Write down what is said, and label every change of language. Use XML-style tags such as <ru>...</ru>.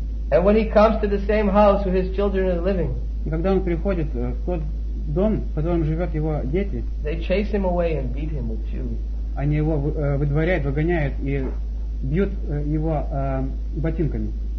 <en>And when he comes to the same house where his children are living,</en> <ru>и когда он приходит в тот дом, в котором живут его дети,</ru> <en>they chase him away and beat him with shoes.</en> <ru>Они его выдворяют, выгоняют и бьют его ботинками.</ru>